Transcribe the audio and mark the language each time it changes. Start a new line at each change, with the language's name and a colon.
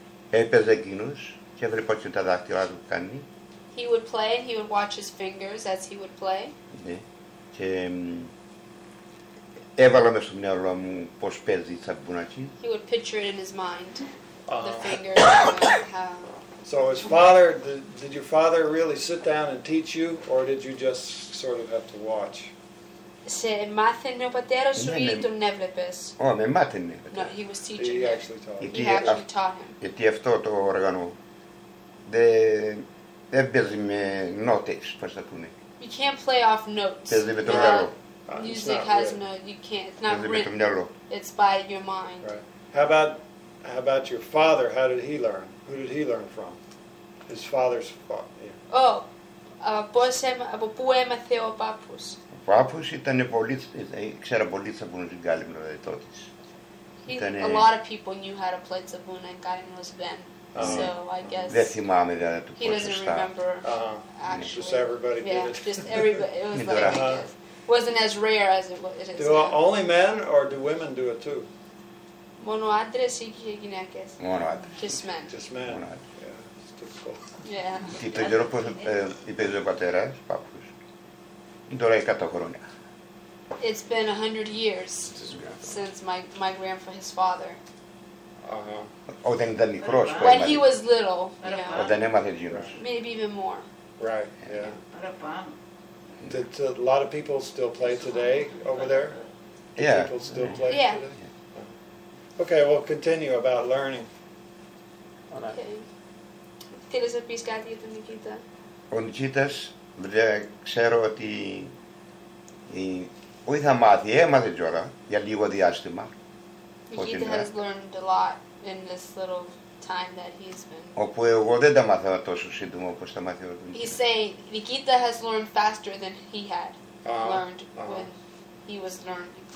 Greek: Έπαιζε εκείνος και έβλεπα και τα δάχτυλα του κάνει.
English: He would play and he would watch his fingers as he would play.
Greek: Ναι. Και έβαλα μέσα στο μυαλό μου πώς παίζει η σαμπουνάκι.
English: He would picture it in his mind. The fingers. So his father, did your father really sit down and teach you, or did you just sort of have to watch?
Greek: Σε μάθαινε ο πατέρας σου ή τον έβλεπες? Ω, με μάθαινε.
English: No, he was teaching.
Greek: Γιατί αυτό το όργανο δεν παίζει με νότες, πώς θα πούνε.
English: You can't play off notes.
Greek: Παίζει με το μυαλό.
English: Music has no, you can't, it's not written. It's by your mind. Right. How about your father, how did he learn? Who did he learn from? His father's father. Yeah.
Greek: Από πού έμαθε ο πάπους? Ο πάπους ήταν πολύ, ξέρα πολύ τσαπούνες στην Κάλυμνο τότε.
English: A lot of people knew how to play τσαπούνα in Κάλυμνος then. So I guess he doesn't remember. Actually. Just everybody did it. Wasn't as rare as it is. Do only men or do women do it too?
Greek: Μόνο άντρες ή γυναίκες. Μόνο άντρες.
English: Just men. Just men.
Greek: Μόνο άντρες.
English: Yeah.
Greek: Τι πως είπε ο πατέρας, πάπους. Είναι τώρα 100 χρόνια.
English: It's been 100 years since my grandfather, his father.
Greek: Όταν ήταν μικρός.
English: When he was little.
Greek: Όταν έμαθε γύρος.
English: Maybe even more. Right, yeah. Did a lot of people still play today over there? Yeah. People still play today? Yeah. Okay, we'll continue about learning. Okay.
Greek: Θέλεις να πεις κάτι για τον Νικήτα? Ο Νικήτας, ξέρω ότι όχι θα μάθει, έμαθε τώρα για λίγο διάστημα.
English: Νικήτα has learned a lot in this little time that he's been.
Greek: Όπου εγώ δεν τα μάθαμε τόσο σύντομα όπως τα μάθει ο Νικήτας.
English: He's saying Nikita has learned faster than he had learned when he was learning.